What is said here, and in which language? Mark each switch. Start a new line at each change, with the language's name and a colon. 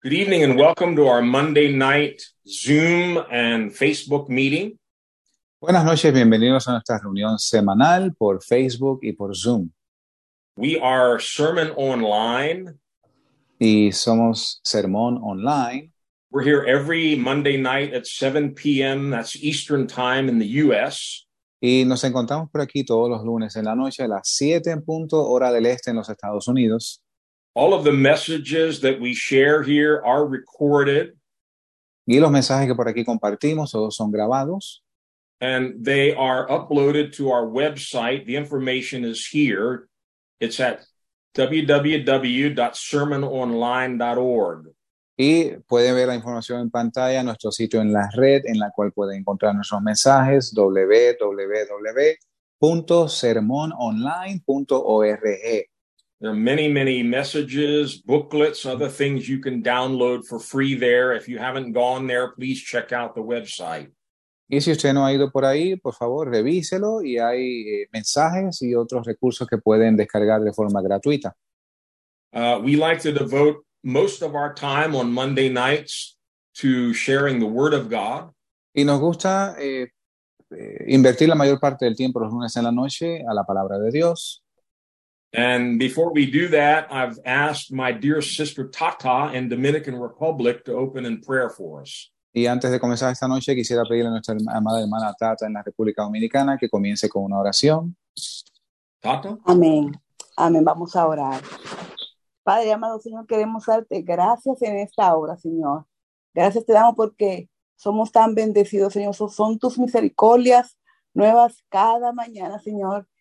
English: Good evening and welcome to our Monday night Zoom and Facebook meeting.
Spanish: Buenas noches, bienvenidos a nuestra reunión semanal por Facebook y por Zoom.
English: We are Sermon Online.
Spanish: Y somos Sermón Online.
English: We're here every Monday night at 7 p.m. That's Eastern Time in the U.S.
Spanish: Y nos encontramos por aquí todos los lunes en la noche a las 7 en punto, hora del este en los Estados Unidos.
English: All of the messages that we share here are recorded.
Spanish: Y los mensajes que por aquí compartimos, todos son grabados.
English: And they are uploaded to our website. The information is here. It's at www.sermononline.org.
Spanish: Y pueden ver la información en pantalla, nuestro sitio en la red, en la cual pueden encontrar nuestros mensajes, www.sermononline.org.
English: There are many, many messages, booklets, other things you can download for free there. If you haven't gone there, please check out the website.
Spanish: Y si usted no ha ido por ahí, por favor, revíselo. Y hay mensajes y otros recursos que pueden descargar de forma gratuita.
English: We like to devote most of our time on Monday nights to sharing the Word of God.
Spanish: Y nos gusta invertir la mayor parte del tiempo los lunes en la noche a la Palabra de Dios.
English: And before we do that, I've asked my dear sister Tata in Dominican Republic to open in prayer for us.
Spanish: Y antes de comenzar esta noche, quisiera pedirle a nuestra amada hermana Tata en la República Dominicana que comience con una oración. Tata. Amén. Amén. Vamos a orar. Padre amado Señor, queremos darte gracias en esta hora, Señor. Gracias te damos porque somos tan bendecidos, Señor. Son tus misericordias nuevas cada mañana, Señor.